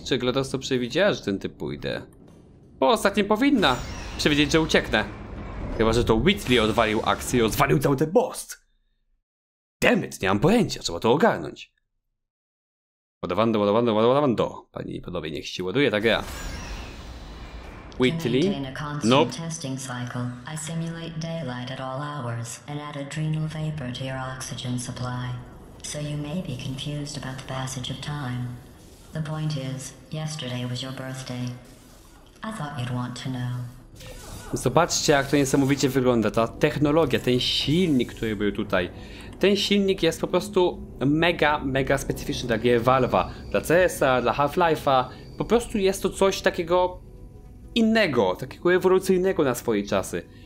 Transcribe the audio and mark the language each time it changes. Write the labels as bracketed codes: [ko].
[pl] Czy GLaDOS to przewidziała, że ten typ pójdę? Bo ostatnio powinna przewidzieć, że ucieknę. Chyba, że to Whitley odwalił akcję i odwalił cały ten most. [en] Damn it, [pl] nie mam pojęcia, trzeba to ogarnąć. Ładowando. Pani i panowie, niech ci ładuje, tak ja. Whitley? [en] Nope. I simulate daylight at all hours and add adrenal vapor to your oxygen supply. So you may be confused about the passage of time. The point is, yesterday was your birthday. I thought you'd want to know. [pl] Zobaczcie, jak to niesamowicie wygląda. Ta technologia, ten silnik, który był tutaj. Ten silnik jest po prostu mega, mega specyficzny dla gier Valve'a, dla CS'a, dla Half-Life'a. Po prostu jest to coś takiego innego, takiego ewolucyjnego na swoje czasy.